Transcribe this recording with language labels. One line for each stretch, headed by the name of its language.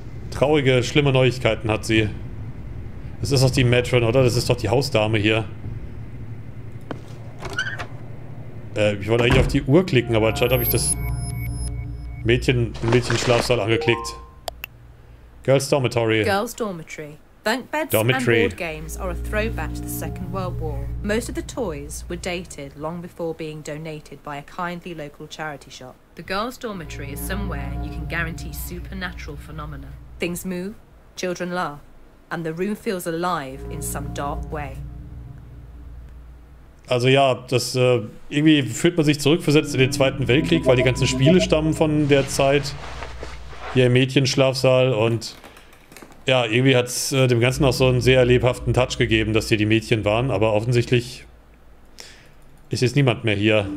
German: Traurige, schlimme Neuigkeiten hat sie. Das ist doch die Matron, oder? Das ist doch die Hausdame hier. Ich wollte eigentlich auf die Uhr klicken, aber anscheinend habe ich das Mädchenschlafsaal angeklickt.
English: Girls Dormitory. Girls Dormitory. Bunk beds Dormitory. And board games are a throwback to the Second World War. Most of the toys were dated long before being donated by a kindly local charity shop. The girls' dormitory is somewhere you can guarantee supernatural phenomena. Things move, children laugh, and the room feels alive in some dark way.
German: Also ja, das irgendwie fühlt man sich zurückversetzt in den Zweiten Weltkrieg, weil die ganzen Spiele stammen von der Zeit. Hier im Mädchenschlafsaal und ja, irgendwie hat es dem Ganzen auch so einen sehr lebhaften Touch gegeben, dass hier die Mädchen waren, aber offensichtlich ist jetzt niemand mehr hier.